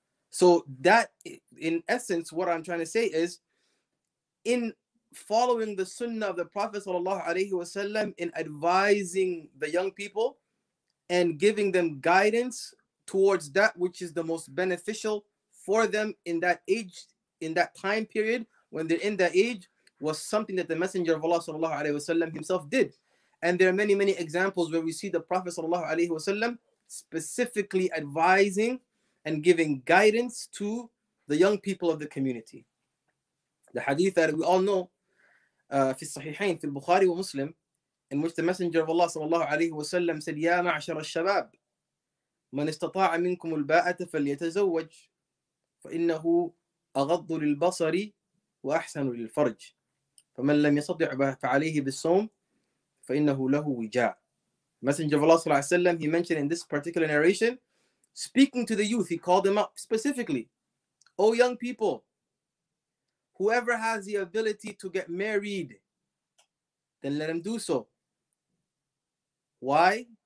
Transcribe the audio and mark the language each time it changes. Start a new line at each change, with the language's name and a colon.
English: So that, in essence, what I'm trying to say is, in following the sunnah of the Prophet sallallahu alayhi wa sallam in advising the young people and giving them guidance towards that which is the most beneficial for them in that age, in that time period, when they're in that age, was something that the Messenger of Allah sallallahu alayhi wa sallam himself did. And there are many, many examples where we see the Prophet sallallahu alayhi wa sallam specifically advising and giving guidance to the young people of the community. The hadith that we all know,
Arabic: في الصحيحين, في البخاري ومسلم,
English: in which the Messenger of Allah sallallahu alayhi wa sallam said,
Arabic: يا معشر الشباب, من استطاع منكم الباءة فليتزوج, فإنه أغض للبصر وأحسن للفرج, فمن لم يستطع فعليه بالصوم, فإنه له وجاء.
English: Messenger of Allah sallallahu alayhi wa sallam, he mentioned in this particular narration, speaking to the youth, he called them up specifically. Oh, young people, whoever has the ability to get married, then let him do so. Why?